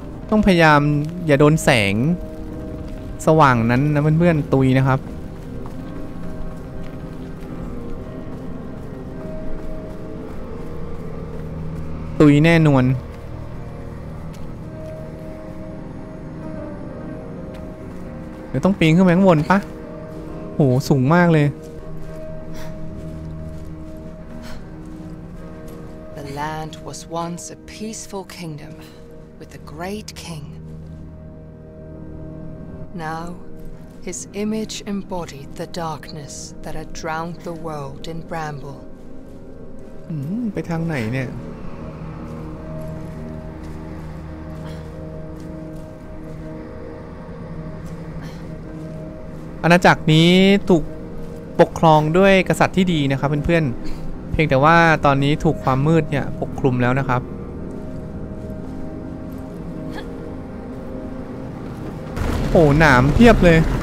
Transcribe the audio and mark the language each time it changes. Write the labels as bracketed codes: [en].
[th] ต้องพยายามอย่าโดนแสงสว่างนั้นนะเพื่อนๆตุยนะครับตุยแน่นวลเดี๋ยวต้องปีนขึ้นไปข้างบนปะโหสูงมากเลย [en] The land was once a peaceful kingdom with a great king. Now his image embodied the darkness that had drowned the world in bramble. [th] ไปทางไหนเนี่ยอาณาจักรนี้ถูกปกครองด้วยกษัตริย์ที่ดีนะครับเพื่อนๆเพียงแต่ว่าตอนนี้ถูกความมืดเนี่ยปกคลุมแล้วนะครับโอ้โหหนามเพียบเลย